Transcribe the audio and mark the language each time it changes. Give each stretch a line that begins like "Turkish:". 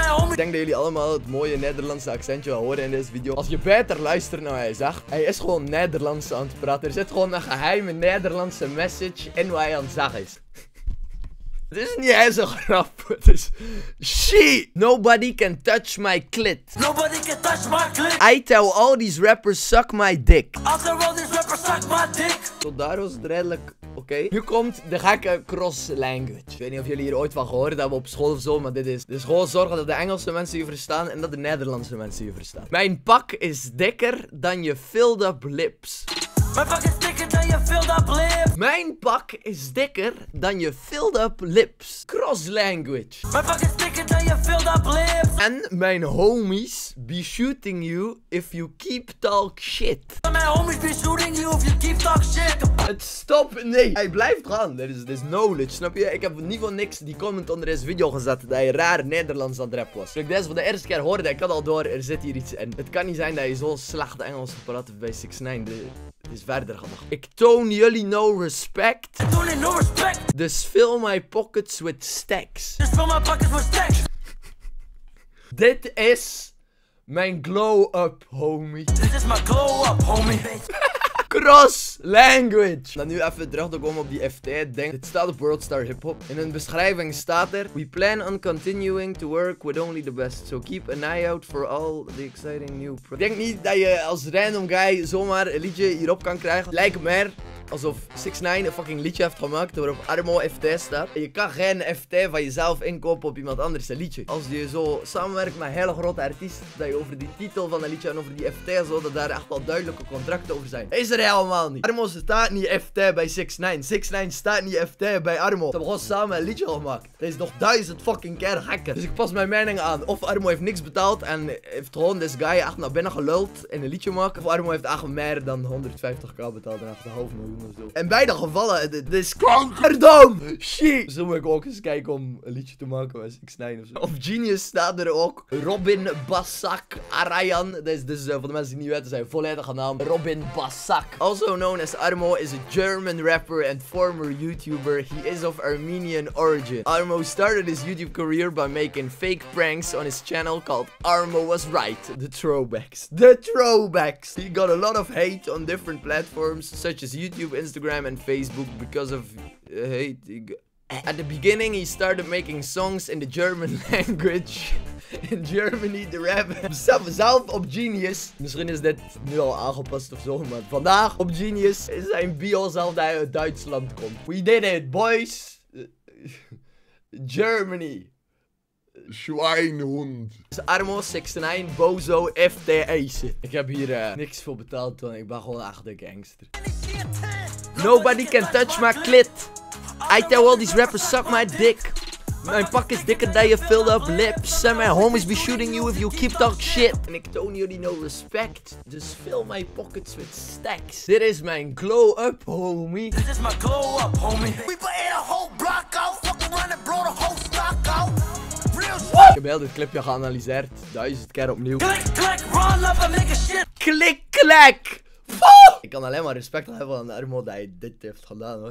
Dutch: Ik denk dat jullie allemaal het mooie Nederlandse accentje wel horen in deze video. Als je beter luistert naar wat hij zegt, hij is gewoon Nederlands aan het praten. Er zit gewoon een geheime Nederlandse message in wat hij aan het zeggen is. Het is niet eens een grap. Het is...
English: She! Nobody can touch my clit. Nobody can touch my clit. I tell all these rappers suck my dick. After all these rappers suck my dick.
Dutch: Tot daar was het redelijk oké. Okay. Nu komt de gekke cross language. Ik weet niet of jullie hier ooit van gehoord hebben op school of zo, maar dit is... Dus gewoon zorgen dat de Engelse mensen je verstaan en dat de Nederlandse mensen je verstaan. Mijn pak is dikker dan je
English: filled up lips.
Dutch: Mijn pak is dikker dan je
English: filled up lips.
Dutch: Mijn pak is dikker dan je filled up lips. Cross language. Mijn pak is dikker dan je
English: filled up lips.
Dutch: En mijn
English: homies be shooting you if you keep talk shit. Mijn homies be shooting you if you keep talk shit.
Dutch: Het stop, nee. Hij blijft gaan. Dit is knowledge, snap je? Ik heb in ieder geval niks die comment onder deze video gezet dat hij raar Nederlands aan het rap was. Toen ik deze voor de eerste keer hoorde, ik had al door, er zit hier iets in. Het kan niet zijn dat je zo slecht Engels hebt praten bij 6ix9ine. Dit is verder gedacht. Ik toon jullie
English: no respect.
Dutch: Ik toon jullie no respect.
English: Dus fill my pockets with stacks. Dus fill my pockets with stacks.
Dutch: Dit is mijn
English: glow up, homie.
Dutch: Dit is mijn
English: glow up, homie.
Dutch: Cross language. Dan nu even terug te komen op die FT-ding. Dit staat op Worldstar Hip Hop. In een beschrijving staat er:
English: we plan on continuing to work with only the best. So keep an eye out for all the exciting new projects.
Dutch: Denk niet dat je als
English: random guy
Dutch: zomaar een liedje hierop kan krijgen. Lijkt meer alsof 6ix9ine een fucking liedje heeft gemaakt waarop Armo FT staat. En je kan geen FT van jezelf inkopen op iemand anders een liedje. Als je zo samenwerkt met een hele grote artiest, dat je over die titel van een liedje en over die FT zo, dat daar echt wel duidelijke contracten over zijn. Is er helemaal niet. Armo staat niet FT bij 6ix9ine. 6ix9ine staat niet FT bij Armo. Ze hebben gewoon samen een liedje gemaakt. Dat is nog 1000 fucking keer gekker. Dus ik pas mijn mening aan. Of Armo heeft niks betaald en heeft gewoon deze guy echt naar binnen geluld in een liedje maken. Of Armo heeft echt meer dan 150.000 betaald en echt een 500.000. In beide gevallen, dit is kankerdom! Shit! Zo moet ik ook eens kijken om een liedje te maken met 6ix9ine ofzo. Of Genius staat er ook. Robin Basak Arayan. Dit is voor de mensen die niet weten zijn volledige naam. Robin Basak.
English: Also known as Armo is a German rapper and former YouTuber. He is of Armenian origin. Armo started his YouTube career by making fake pranks on his channel called Armo Was Right. The throwbacks! He got a lot of hate on different platforms such as YouTube, Instagram and Facebook because of hate. At the beginning he started making songs in the German language. In Germany,
Dutch: de rap. Zelf op Genius. Misschien is dit nu al aangepast of zo, maar vandaag op Genius is zijn bio zelf dat hij uit Duitsland komt.
English: We did it, boys. Germany.
German: Schweinhund. Armo 6ix9ine, Bozo, FT Ace.
Dutch: Ik heb hier niks voor betaald, want ik ben gewoon echt een gangster.
English: Nobody can touch my clit. I tell all these rappers suck my dick.
Dutch: Mijn pak is dikker dan je
English: filled up lips. And my homies be shooting you if you keep talk shit.
Dutch: En ik toon jullie
English: no respect. Dus fill my pockets with stacks.
Dutch: Dit is mijn
English: glow up, homie.
Dutch: Dit is mijn glow up, homie.
English: We put in a whole block out. Fucking run it, bro, the whole stock out. Real.
Dutch: Ik heb heel dit clipje geanalyseerd. Duizend keer opnieuw. Klik, klik,
English: run up a nigga shit.
Dutch: Klik, klik. Ik kan alleen maar respect hebben aan Armo dat hij dit heeft gedaan, hoor.